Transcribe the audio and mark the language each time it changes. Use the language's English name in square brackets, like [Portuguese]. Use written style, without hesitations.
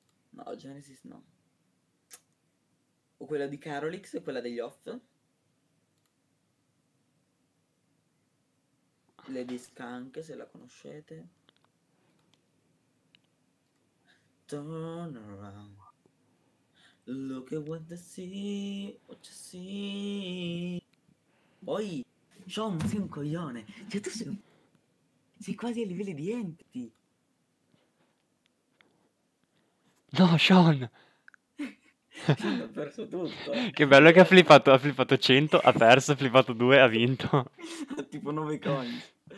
[Italian] No, Genesis no. O quella di Carolix e quella degli Off. Lady Skunk, se la conoscete. [English] Turn around, look at what I see, what you see. [Italian] Oi, Sean, sei un coglione. Cioè, tu sei un... Sei quasi a livelli di Entity. No, Sean! Sean ha perso tutto. Che bello che ha flippato 100, ha perso, ha flippato 2, ha vinto. Ha tipo 9 coins.